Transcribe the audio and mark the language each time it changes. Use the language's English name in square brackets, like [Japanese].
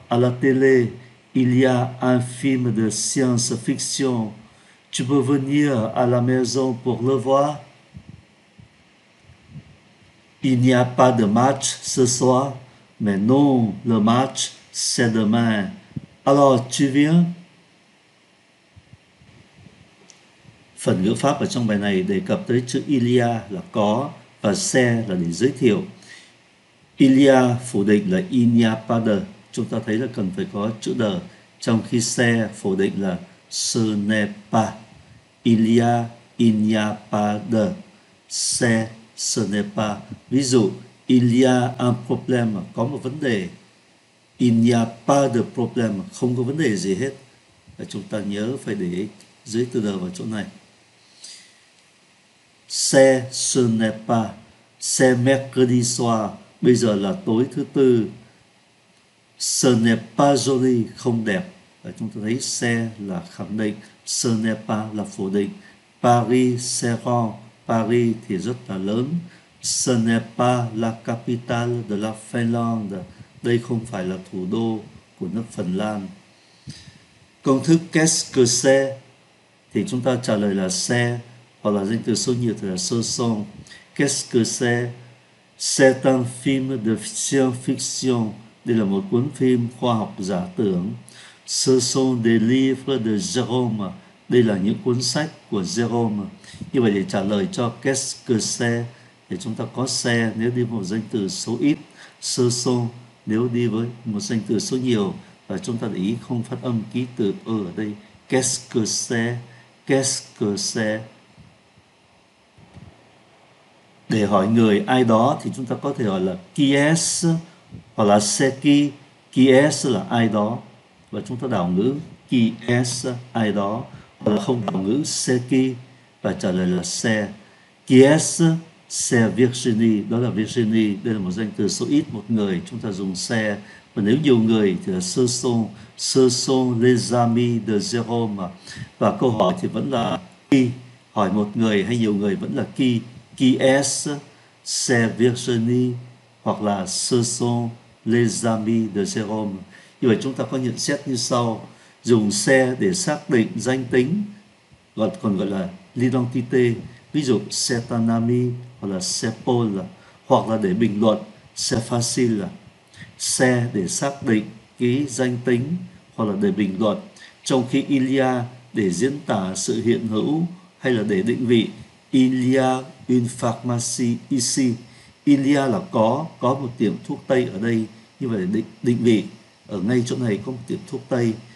[French] à la télé, il y a un film de science-fiction. Tu peux venir à la maison pour le voir? Il n'y a pas de match ce soir, mais non, le match, c'est demain. Alors, tu viens? [Vietnamese] Phần ngữ pháp ở trong bài này đề cập tới chữ il y a là có và se là để giới thiệu. [French] Il y a [Vietnamese] phủ định là [French] il n'y a pas de. [Vietnamese] Chúng ta thấy là cần phải có chữ de, trong khi se phủ định là [French] ce n'est pas. Il y a, il n'y a pas de. Se, ce n'est pas. [Vietnamese] Ví dụ, [French] il y a un problème, [Vietnamese] có một vấn đề. [French] Il n'y a pas de problème, [Vietnamese] không có vấn đề gì hết. Và chúng ta nhớ phải để dưới từ de vào chỗ này. [French] Se, ce n'est pas. Se mercredi soir. [Vietnamese] Bây giờ là tối thứ tư. [French] Ce n'est pas joli, [Vietnamese] không đẹp. Và chúng ta thấy se là khẳng định, ce n'est pas là phủ định. Paris, [French] c'est grand. [Vietnamese] Paris thì rất là lớn. [French] Ce n'est pas la capitale de la Finlande. [Vietnamese] Đây không phải là thủ đô của nước Phần Lan. Công thức [French] qu'est-ce que c'est? [Vietnamese] Thì chúng ta trả lời là se, hoặc là danh từ số nhiều thì là [French] ce sont. Qu'est-ce que c'est? C'est un film de science-fiction. [Vietnamese] Đây là một cuốn phim khoa học giả tưởng. [French] Ce sont des livres de Jérôme. [Vietnamese] Đây là những cuốn sách của Jérôme. Như vậy để trả lời cho [French] qu'est-ce que c'est, [Vietnamese] thì chúng ta có se nếu đi một danh từ số ít, ce sont nếu đi với một danh từ số nhiều. Và chúng ta để ý không phát âm ký tự ở đây. Qu'est-ce que c'est? [French] Qu'est-ce que c'est? [Vietnamese] Để hỏi người ai đó thì chúng ta có thể hỏi là qui est hoặc là c'est qui. Qui est là ai đó. Và chúng ta đảo ngữ qui est ai đó, hoặc là không đảo ngữ c'est qui và trả lời là c'est. [French] Qui est c'est Virginie. [Vietnamese] Đó là Virginie. Đây là một danh từ số ít, một người. Chúng ta dùng c'est. Và nếu nhiều người thì là ce sont. [French] Ce sont les amis de Jérôme. [Vietnamese] Và câu hỏi thì vẫn là qui. Hỏi một người hay nhiều người vẫn là qui. [French] Qui est, c'est Virginie, [Vietnamese] hoặc là [French] ce sont les amis de Jérôme. [Vietnamese] Như vậy chúng ta có nhận xét như sau. Dùng se để xác định danh tính, còn gọi là l'identité. Ví dụ, [French] c'est un ami, [Vietnamese] hoặc là [French] c'est Paul. [Vietnamese] Hoặc là để bình luận, [French] c'est facile. [Vietnamese] Se để xác định cái danh tính, hoặc là để bình luận. Trong khi il y a để diễn tả sự hiện hữu, hay là để định vị, [French] il y a une pharmacie ici. [Vietnamese] Il y a là có một tiệm thuốc Tây ở đây. Như vậy định vị, ở ngay chỗ này có một tiệm thuốc Tây.